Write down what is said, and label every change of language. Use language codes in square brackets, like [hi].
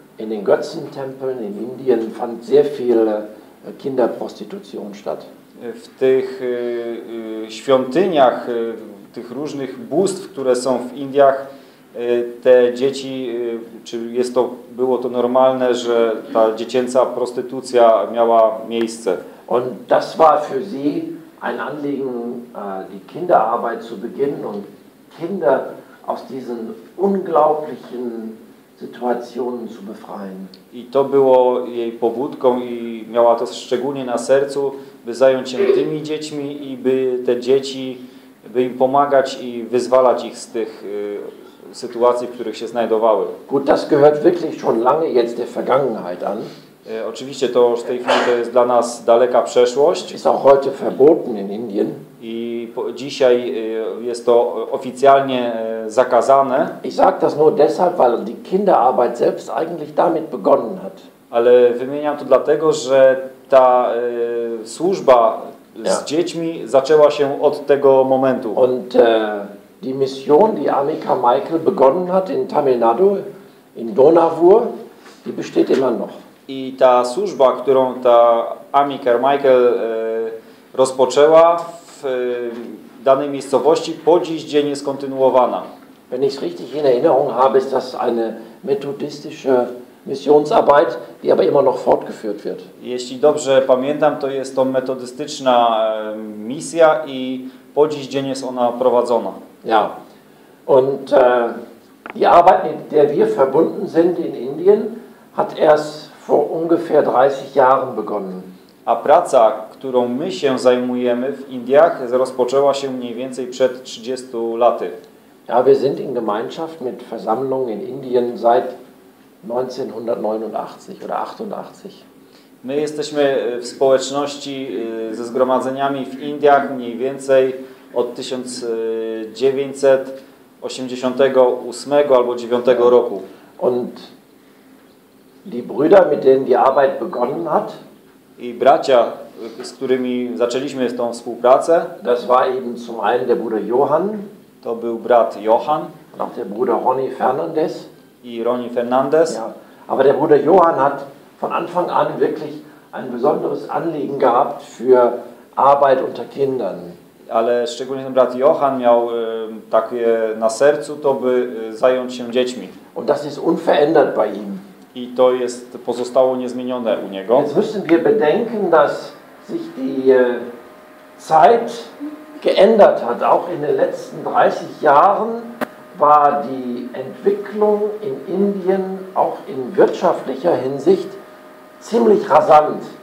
[de] In den Götzentempeln in Indien fand sehr viel Kinderprostitution statt. [pl] W tych świątyniach, tych różnych bóstw, które są w Indiach, te dzieci, czy jest to, było to normalne, że ta dziecięca prostytucja miała miejsce. [de] Und das war für sie ein Anliegen, die Kinderarbeit zu beginnen und Kinder aus diesen unglaublichen Situationen zu befreien. [pl] I to było jej pobudką i miała to szczególnie na sercu, by zająć się tymi dziećmi i by te dzieci, by im pomagać i wyzwalać ich z tych sytuacji, w których się znajdowały. [de] Gut, das gehört wirklich schon lange jetzt der Vergangenheit an. [pl] Oczywiście to już w tej chwili to jest dla nas daleka przeszłość. [de] Ist auch heute verboten in Indien. [pl] I dzisiaj jest to oficjalnie zakazane. [de] Ich sag das nur deshalb, weil die Kinderarbeit selbst eigentlich damit begonnen hat. [pl] Ale wymieniam to dlatego, że ta służba z dziećmi zaczęła się od tego momentu. [de] Und die Mission, die Annika Michael begonnen hat in Tamil Nadu, in Donavur, die besteht immer noch. [pl] I ta służba, którą ta Amy Carmichael rozpoczęła w danej miejscowości, po dziś dzień jest kontynuowana. [de] Wenn ich es richtig in Erinnerung habe, ist das eine methodistische Missionsarbeit, die aber immer noch fortgeführt wird. [pl] Jeśli dobrze pamiętam, to jest to metodystyczna misja i po dziś dzień jest ona prowadzona. [de] Ja. Und die Arbeit, mit der wir verbunden sind in Indien, hat erst vor ungefähr 30 Jahren begonnen. [pl] A praca, którą my się zajmujemy w Indiach, rozpoczęła się mniej więcej przed 30 laty. [de] Ja, wir sind in Gemeinschaft mit Versammlungen in Indien seit 1989 oder 88. [pl] My jesteśmy w społeczności ze zgromadzeniami w Indiach mniej więcej od 1988 albo 9 roku. [de] Und die Brüder, mit denen die Arbeit begonnen hat. [pl] I bracia, z którymi zaczęliśmy tą współpracę. [de] Das war eben zum einen der Bruder Johann. [pl] To był brat Johann. [de] Und der Bruder Ronnie Fernandez. [pl] I Ronnie Fernandez. [de] Ja. Aber der Bruder Johann hat von Anfang an wirklich ein besonderes Anliegen gehabt für Arbeit unter Kindern. [pl] Ale szczególnie ten brat Johann miał takie na sercu to, by zająć się dziećmi. [de] Und das ist unverändert bei ihm. [pl] I to jest pozostało niezmienione u niego. [de] Jetzt müssen wir bedenken, dass sich die Zeit geändert hat. Auch in den letzten 30 Jahren war die Entwicklung in Indien auch in wirtschaftlicher Hinsicht ziemlich rasant.